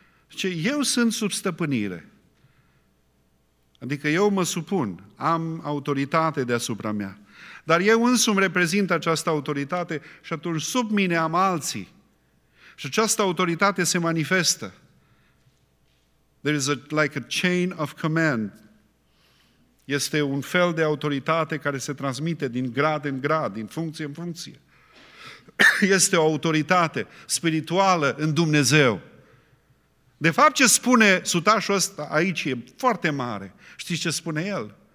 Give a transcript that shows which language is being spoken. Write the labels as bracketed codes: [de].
[ro] Zice, eu sunt sub stăpânire. Adică eu mă supun, am autoritate deasupra mea. Dar eu însumi reprezint această autoritate și atunci sub mine am alții. Și această autoritate se manifestă. [en] There is like a chain of command. [ro] Este un fel de autoritate care se transmite din grad în grad, din funcție în funcție. Este o autoritate spirituală în Dumnezeu. De fapt, ce spune sutașul ăsta aici e foarte mare. Știți ce spune el?